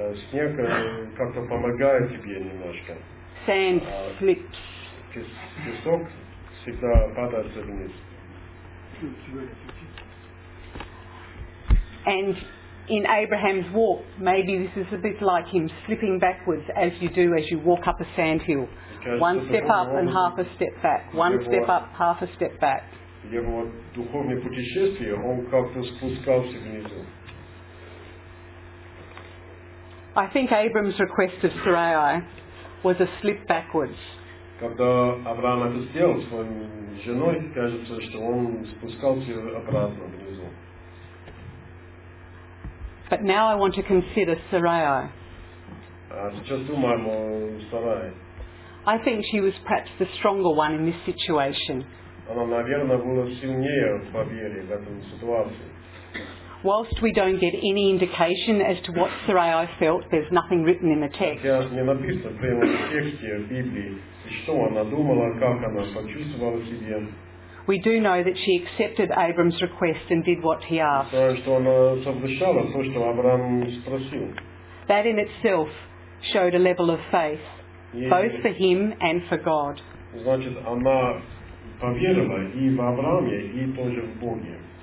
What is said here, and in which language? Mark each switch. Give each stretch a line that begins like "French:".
Russian: Снег как-то помогает тебе немножко.
English: Sand slips.
Russian: Песок всегда падает вниз.
English: And in Abraham's walk, maybe this is a bit like him slipping backwards as you do as you walk up a sand hill. One step up and half a step back. One step up, half a step back.
Russian: Его духовное путешествие, он как-то спускался внизу.
English: I think Abram's request of Sarai was a slip backwards.
Russian: Когда Авраам это сделал с своей женой, кажется, что он спускался обратно внизу.
English: But now I want to consider Sarai.
Russian: Сейчас думаем о Сарае.
English: I think she was perhaps the stronger one in this situation.
Russian: Она, наверное, была сильнее по вере в этом ситуации.
English: Whilst we don't get any indication as to what Sarai felt, there's nothing written in the text.
Russian: Хотя не написано прямо в тексте в Библии, что она думала, как она почувствовала себя.
English: We do know that she accepted Abram's request and did what he asked.
Russian: Знаем, что она соглашала то, что Авраам спросил.
English: That in itself showed a level of faith, both for him and for God.
Russian: Значит, она поверила и в Аврааме, и тоже в Боге.